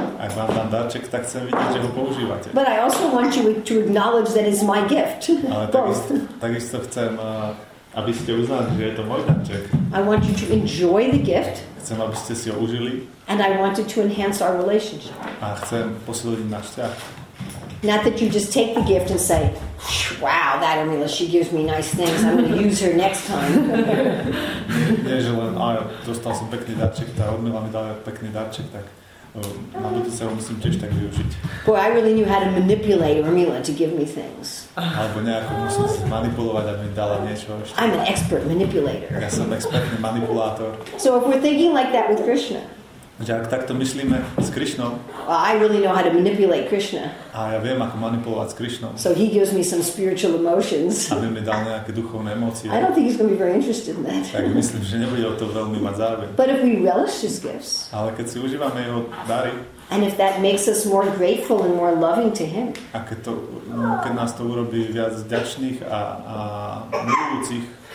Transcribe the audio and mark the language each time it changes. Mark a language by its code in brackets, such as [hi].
[sk] Ak vám dám darček, tak chcem vidieť, že ho používate. [en] But I also want you to acknowledge that it's my gift. [sk] Ale takisto chcem, aby ste uznali, že je to môj darček. [en] I want you to enjoy the gift. [sk] Chcem, aby ste si ho užili. [en] And I want it to enhance our relationship. [sk] A chcem posilniť náš vzťah. [en] Not that you just take the gift and say, wow, that Amila, she gives me nice things, I'm going to use her next time. [sk] Nie, že len, dostal som pekný darček, tá Odmila mi dala pekný darček, tak na budúce sa ho musím tiež tak využiť. [en] Boy, I really knew how to manipulate Amila to give me things. [sk] Alebo nejako musím si manipulovať, aby mi dala niečo ešte. [en] I'm an expert manipulator. [sk] Ja som expertný manipulátor. [en] So if we're thinking like that with Krishna, [sk] Že ak takto myslíme s Krišnou. [en] Well, I really know how to manipulate Krishna. [sk] A ja viem, ako manipulovať s Krišnou. [en] So he gives me some spiritual emotions. [sk] A on mi dal nejaké duchovné emócie. [en] I don't think he's going to be very interested in that. [sk] Tak myslím, že nebude o to veľmi mať záujem. [en] But if we relish his gifts. [sk] Ale keď si užívame jeho dary. [en] And if that makes us more grateful and more loving to him. [sk] A keď nás to urobí viac vďačných a milujúcich.